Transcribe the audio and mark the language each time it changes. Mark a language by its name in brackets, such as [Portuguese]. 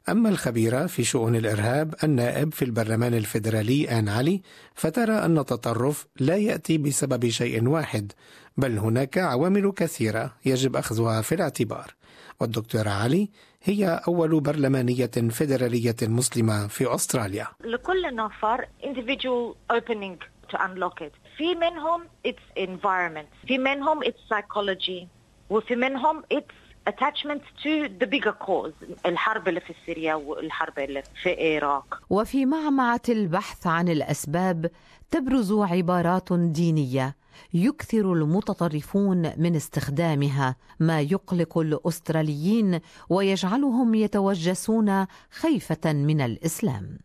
[Arabic] أما الخبيرة في شؤون الإرهاب النائب في البرلمان الفيدرالي آن علي فترى أن التطرف لا يأتي بسبب شيء واحد، بل هناك عوامل كثيرة يجب أخذها في الاعتبار. والدكتورة علي هي أول برلمانية فيدرالية مسلمة في أستراليا. لكل نفر [English] individual opening to unlock it. [Arabic] في منهم [English] it's environment. [Arabic] في منهم [English] it's psychology. [Arabic] وفي منهم [English] it's attachment to the bigger cause. [Arabic] الحرب اللي في سوريا والحرب اللي في العراق. وفي معمعة البحث عن الأسباب تبرز عبارات دينية يكثر المتطرفون من استخدامها، ما يقلق الأستراليين ويجعلهم يتوجسون خيفة من الإسلام.